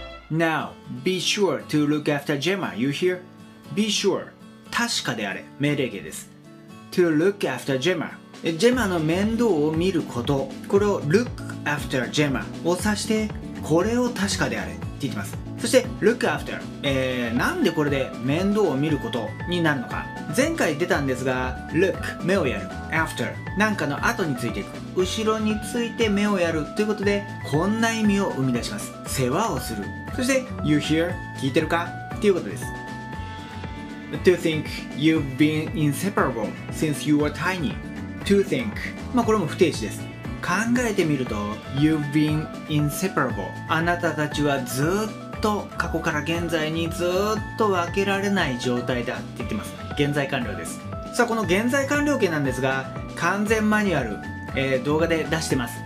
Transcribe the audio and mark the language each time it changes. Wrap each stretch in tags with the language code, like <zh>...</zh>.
<en>Now, be sure to look after Gemma, you hear? Be sure、</en> <ja>確かであれ、命令形です。</ja> <en>To look after Gemma。</en> <ja>Gemma の面倒を見ること、これを</ja> <en>look after Gemma</en> <ja>を指して、これを確かであれって言ってます。そして look after、なんでこれで面倒を見ることになるのか。前回出たんですが、look、目をやる、after、なんかの後についていく、後ろについて目をやるということで、こんな意味を生み出します。世話をする。そして</ja> <en>you hear、</en> <ja>聞いてるかっていうことです。</ja> <en>To think you've been inseparable since you were tiny. To think、</en> <ja>まあこれも不定詞です。考えてみると</ja> <en>You've been inseparable、</en> <ja>あなたたちはずっと過去から現在にずっと分けられない状態だって言ってます。現在完了です。さあ、この現在完了形なんですが、完全マニュアル、動画で出してます。</ja>